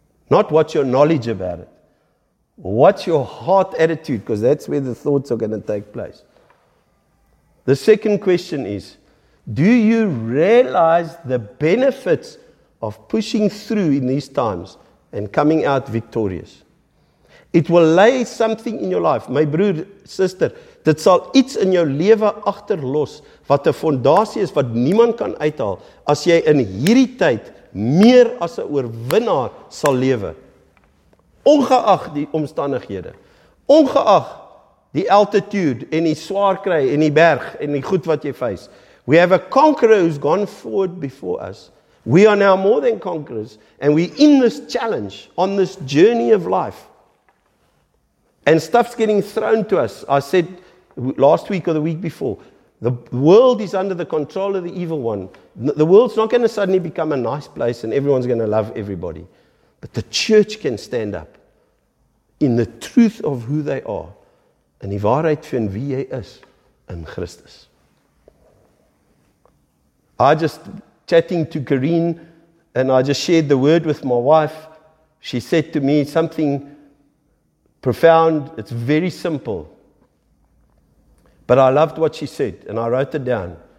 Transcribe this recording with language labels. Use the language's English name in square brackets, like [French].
[English] Not what's your knowledge about it. What's your heart attitude? Because that's where the thoughts are going to take place. The second question is, do you realize the benefits of pushing through in these times and coming out victorious? It will lay something in your life, [Afrikaans] my broer, sister, dit sal iets in jou lewe agterlos wat 'n fondasie is wat niemand kan uithaal as jy in hierdie tyd meer as 'n oorwinnaar sal lewe. Ongeag die omstandighede, ongeag die altitude en die swaar kry en die berg en die goed wat jy face. [English] We have a conqueror who's gone forward before us. We are now more than conquerors and we're in this challenge on this journey of life. And stuff's getting thrown to us. I said last week or the week before, the world is under the control of the evil one. The world's not going to suddenly become a nice place and everyone's going to love everybody. But the church can stand up in the truth of who they are. [Afrikaans] In die waarheid van wie jy is in Christus. [English] I just chatting to Corinne and I just shared the word with my wife. She said to me something profound. It's very simple. But I loved what she said and I wrote it down.